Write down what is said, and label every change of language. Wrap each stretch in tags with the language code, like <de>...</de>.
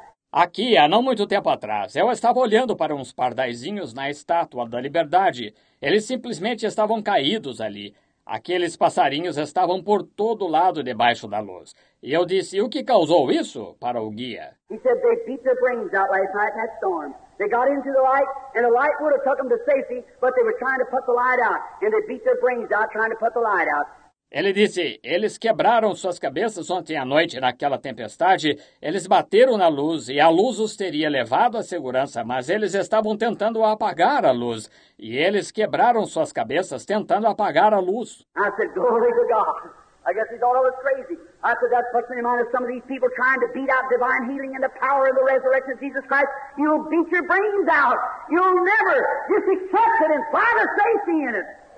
<pt>Aqui, há não muito tempo atrás, eu estava olhando para uns pardaizinhos na Estátua da Liberdade. Eles simplesmente estavam caídos ali. Aqueles passarinhos estavam por todo lado debaixo da luz. E eu disse, o que causou isso para o guia?</pt> <en>He said they beat their brains out last night in that storm. They got into the light, and the light would have took them to safety, but they were trying to put the light out. And they beat their brains out trying to put the light out.</en> <pt>Ele disse, eles quebraram suas cabeças ontem à noite naquela tempestade. Eles bateram na luz e a luz os teria levado à segurança, mas eles estavam tentando apagar a luz. E eles quebraram suas cabeças tentando apagar a luz.</pt> <en>I said, glory to God. I guess he thought I was crazy. I said, that's what's in the mind of some of these people trying to beat out divine healing and the power of the resurrection of Jesus Christ. You'll beat your brains out. You'll never just accept it and find a safety in it.</en>